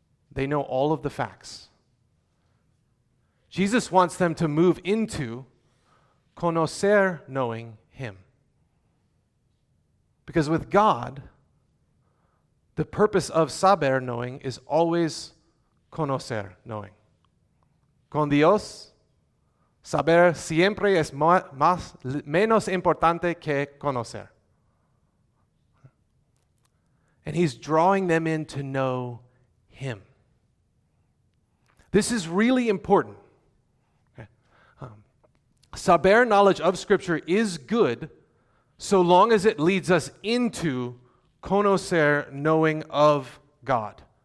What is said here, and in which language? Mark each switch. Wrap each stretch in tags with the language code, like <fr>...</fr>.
<en>They know all of the facts. Jesus wants them to move into conocer knowing him. Because with God, the purpose of saber knowing is always conocer knowing.</en> <es>Con Dios, saber siempre es menos importante que conocer.</es> <en>And he's drawing them in to know him. This is really important. Saber knowledge of Scripture is good so long as it leads us into conocer knowing of God.</en>